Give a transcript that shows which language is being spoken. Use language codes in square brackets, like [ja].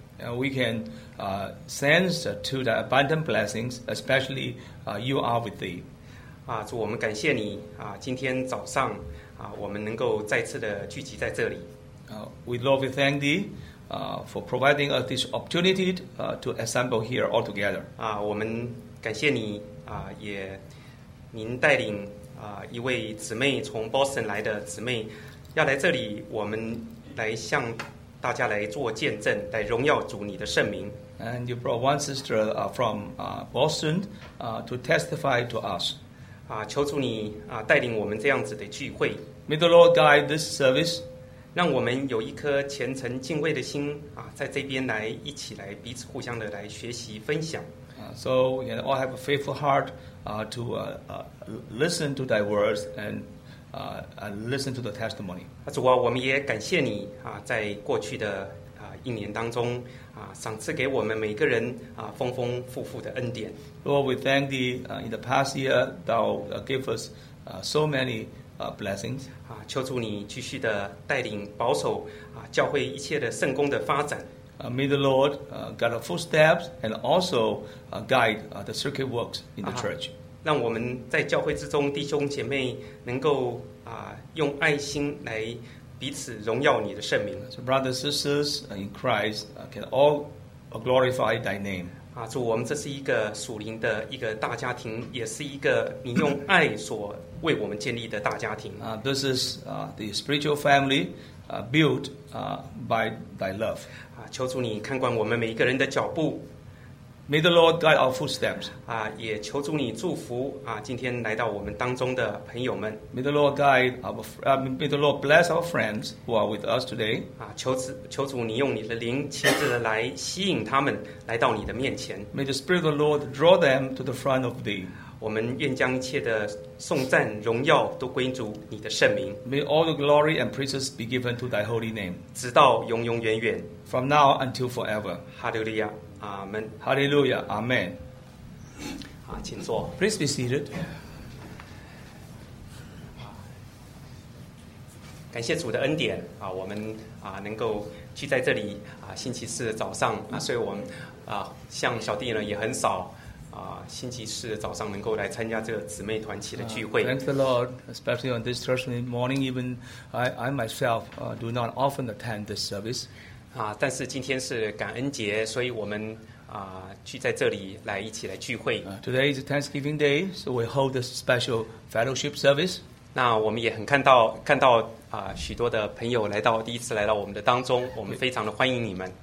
[en] We can sense to the abundant blessings, especially you are with thee. [zh] 主，我们感谢你今天早上我们能够再次的聚集在这里。 [en] We love and thank thee for providing us this opportunity to assemble here all together. [zh] 我们感谢你也您带领一位姊妹从 Boston 来的姊妹要来这里，我们来向大家来做见证，来荣耀主你的圣名。 [en] And you brought one sister from Boston to testify to us. [zh] 求主你带领我们这样子的聚会。 [en] May the Lord guide this service. [zh] 让我们有一颗虔诚敬畏的心在这边来一起来彼此互相的来学习分享。 [en] So we all have a faithful heart to listen to thy words and listen to the testimony. [zh] 主啊，我们也感谢你在过去的一年当中赏赐给我们每个人丰丰富富的恩典。 [en] Lord, we thank thee in the past year thou gave us so many blessings. [zh] 求主你继续的带领保守教会一切的圣工的发展。 [en] May the Lord guide our footsteps and also guide the circuit works in the church. [zh] 让我们在教会之中弟兄姐妹能够用爱心来彼此荣耀你的圣名。 [en] So brothers and sisters in Christ can all glorify thy name. [zh] 主，我们这是一个属灵的一个大家庭，也是一个你用爱所为我们建立的大家庭。 [en] This is the spiritual family built by thy love. [zh] 求主你看管我们每一个人的脚步。 [en] May the Lord guide our footsteps. [zh] 也求主你祝福今天来到我们当中的朋友们。 [en] May the Lord guide our may the Lord bless our friends who are with us today. [zh] 求主你用你的灵亲自的来吸引他们来到你的面前。 [en] May the Spirit of the Lord draw them to the front of thee. [zh] 我们愿将一切的颂赞荣耀都归主你的圣名。 [en] May all the glory and praises be given to thy holy name. [zh] 直到永永远远。 [en] From now until forever. Hallelujah. Amen. Hallelujah. Amen. [zh] 请坐。 [en] Please be seated. [zh] 感谢主的恩典我们能够聚在这里星期四早上所以我们像小弟呢也很少星期四早上能够来参加这个姊妹团契的聚会。 [en] Thank the Lord, especially on this Thursday morning. Even I myself do not often attend this service. [zh] 但是今天是感恩节，所以我们聚在这里来一起来聚会。 [en] Today is Thanksgiving Day, so we hold a special fellowship service. [zh] 那我们也很看到许多的朋友第一次来到我们的当中，我们非常的欢迎你们。